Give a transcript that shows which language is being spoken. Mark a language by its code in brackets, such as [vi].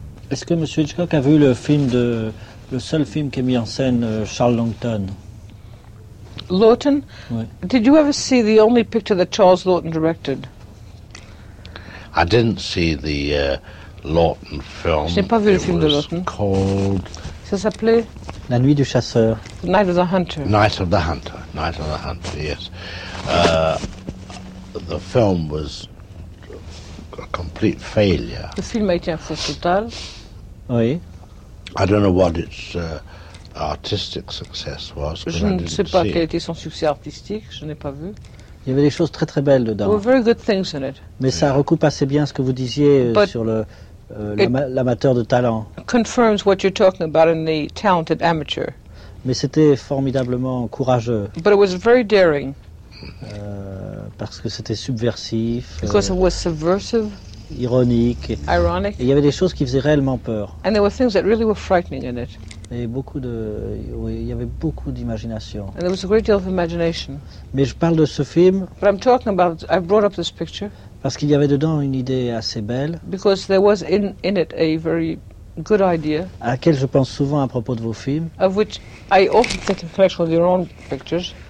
[fr] Est-ce que Monsieur Hitchcock a vu le film de le seul film qui a mis en scène Charles Laughton? Laughton? Oui. [en] Did you ever see the only picture that Charles Laughton directed? I didn't see the Laughton film. [fr] Je n'ai pas vu le film de Laughton. [en] Called... [fr] Ça s'appelait La Nuit du Chasseur. [en] The Night of the Hunter. Night of the Hunter. Night of the Hunter. Yes. The film was a complete failure. [fr] Le film a été un faux total. Oui. [en] I don't know what its artistic success was. [fr] Je ne sais pas quel était son succès artistique. Je n'ai pas vu. Il y avait des choses très très belles dedans. [en] There were very good things in it. [fr] Mais ça recoupe assez bien ce que vous disiez sur le l'amateur de talent. [en] Confirms what you're talking about in the talented amateur. [fr] Mais c'était formidablement courageux. [en] But it was very daring. [fr] Parce que c'était subversif, [en] because it was subversive, [fr] ironique. [en] Ironic. [fr] Et il y avait des choses qui faisaient réellement peur. [en] And there were things that really were frightening in it. [fr] Et beaucoup de, oui, il y avait beaucoup d'imagination. [en] And there was a great deal of imagination. [fr] Mais je parle de ce film. [en] But I'm talking about, I brought up this picture. [fr] Parce qu'il y avait dedans une idée assez belle. [en] Because there was in it a very good idea. [fr] À laquelle je pense souvent à propos de vos films. [en] Of which I often think in connection with your own pictures.